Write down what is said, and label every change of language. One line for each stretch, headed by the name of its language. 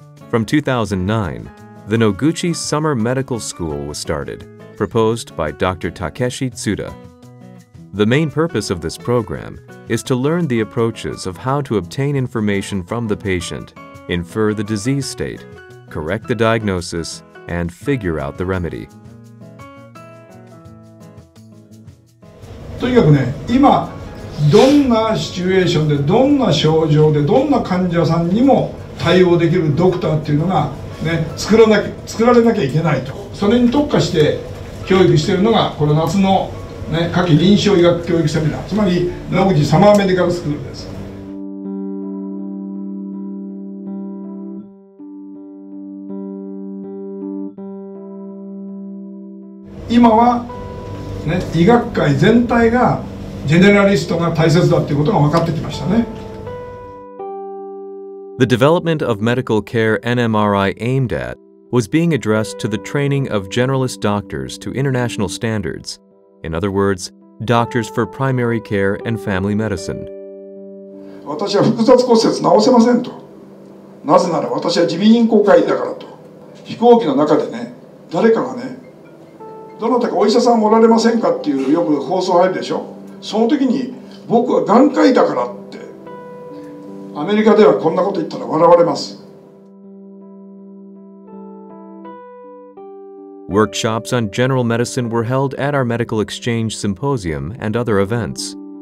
English: From 2009, the Noguchi Summer Medical School was started, proposed by Dr. Takeshi Tsuda. The main purpose of this program is to learn the approaches of how to obtain information from the patient, infer the disease state, correct the diagnosis, and figure out the remedy.
Japanese: とにかくね、今どんなシチュエーションでどんな症状でどんな患者さんにも対応できるドクターっていうのがね、作られなきゃいけないと、それに特化して教育しているのがこの夏のね、夏季臨床医学教育セミナー、つまり野口サマーメディカルスクールです。今は、ね、医学界全体がジェネラリストが大切だということが分かってきましたね。
English: The development of medical care NMRI aimed at was being addressed to the training of generalist doctors to international standards, in other words, doctors for primary care and family medicine.
Japanese: 私は複雑骨折治せませんと。なぜなら私は耳鼻咽喉科医だからと。飛行機の中でね、誰かがね、どなたかお医者さんおられませんかっていうよく放送入るでしょ。その時に僕は眼科医だからってアメリカではこんなこと言ったら笑われます。
English: Workshops on general medicine were held at our medical exchange symposium and other events.